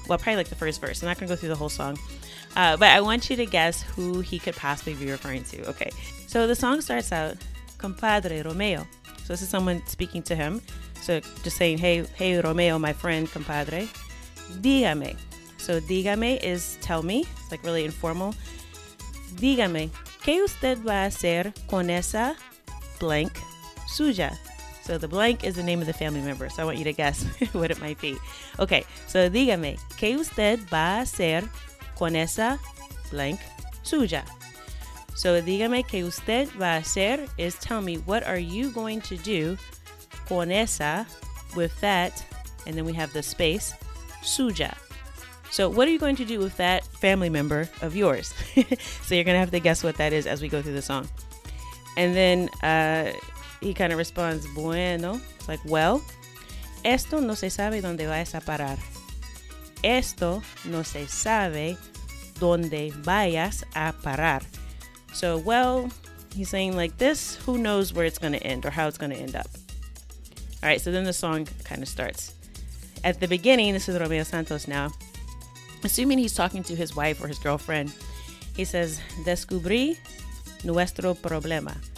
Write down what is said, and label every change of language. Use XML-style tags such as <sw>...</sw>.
<en>Well, probably like the first verse. I'm not going to go through the whole song. But I want you to guess who he could possibly be referring to. Okay, so the song starts out, compadre Romeo. So this is someone speaking to him. So just saying, hey, Romeo, my friend, compadre. Dígame. So dígame is tell me, it's like really informal.</en> <es>Dígame, ¿qué usted va a hacer con esa blank suya?</es> <en>So the blank is the name of the family member, so I want you to guess what it might be. Okay, so</en> <es>dígame, ¿qué usted va a hacer con esa blank suya?</es> <en>So</en> <es>dígame, ¿qué usted va a hacer</es> <en>is tell me, what are you going to do</en> <es>con esa,</es> <en>with that, and then we have the space, suya. So what are you going to do with that family member of yours? So you're going to have to guess what that is as we go through the song. And then he kind of responds, bueno. It's like, well,</en> <es>esto no se sabe dónde vayas a parar. Esto no se sabe dónde vayas a parar.</es> <en>So, well, he's saying like this, who knows where it's going to end or how it's going to end up. All right, so then the song kind of starts. At the beginning, this is Romeo Santos now. Assuming he's talking to his wife or his girlfriend, he says,</en> <es>Descubrí nuestro problema.</es>